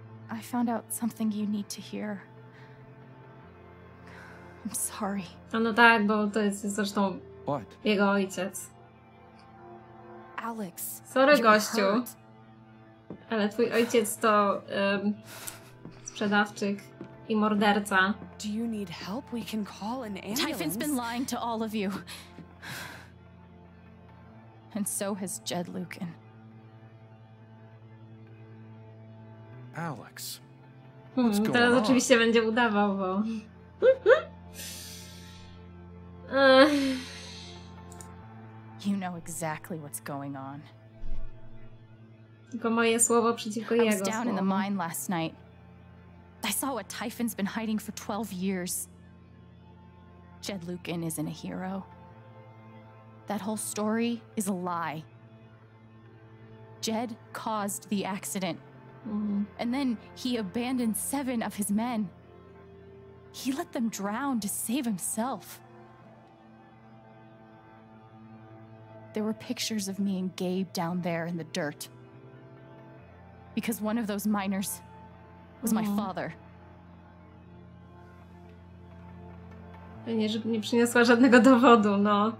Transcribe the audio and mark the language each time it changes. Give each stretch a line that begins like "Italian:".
English: I found out something you need to hear. I'm sorry.
Polish: No tak, bo to jest zresztą
English: what?
Polish: Jego ojciec.
English: Alex.
Polish: Sorry, gościu. Ale twój ojciec to sprzedawczyk i morderca.
English: Do you need help? We can call an ambulance. Typhon's been lying to all of you. And so has Jed Lucan. Alex.
Polish: Teraz oczywiście będzie udawał, bo.
English: You know exactly what's going on.
Polish: Tylko moje słowo przeciwko jego.
English: I was down in the mine last night. I saw what Typhon's been hiding for 12 years. Jed Lucan isn't a hero. That whole story is a lie. Jed caused the accident. And then he abandoned 7 of his men. He let them drown to save himself. There were pictures of me and Gabe down there in the dirt. Because one of those miners was my father.
Polish: Nie, żeby nie przyniosła żadnego dowodu, no.